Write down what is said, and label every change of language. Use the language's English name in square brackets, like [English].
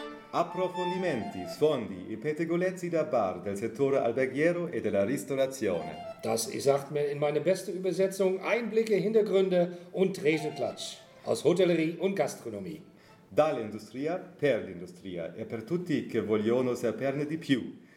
[Italian] Approfondimenti, sfondi e pettegolezzi da bar del settore alberghiero e della ristorazione. [German] Das sagt mir in meine beste Übersetzung Einblicke, Hintergründe und Tresenklatsch aus Hotellerie und Gastronomie. [Italian] Dall'industria per l'industria e per tutti che vogliono saperne di più.